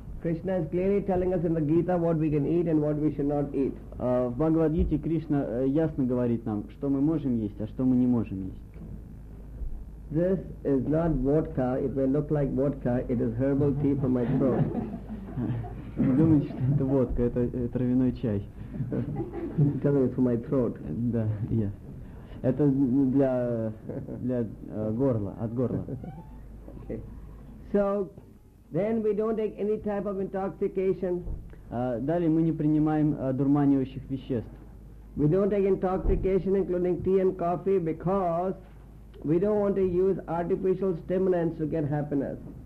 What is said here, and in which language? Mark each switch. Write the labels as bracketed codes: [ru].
[en] Krishna is clearly telling us in the Gita what we can eat and what we should not eat. [ru] В Бхагавад-гите Кришна ясно говорит нам, что мы можем есть, а что мы не можем есть. [en] This is not vodka. It may look like vodka. It is herbal tea for my throat. [ru] Вы думаете, что это водка, это травяной чай? [en] Tell me, it's for my throat. [ru] Да, yes. Это для горла, от горла. [en] Okay. So, then we don't take any type of intoxication. [ru] Далее мы не принимаем одурманивающих веществ. [en] We don't take intoxication, including tea and coffee, because we don't want to use artificial stimulants to get happiness.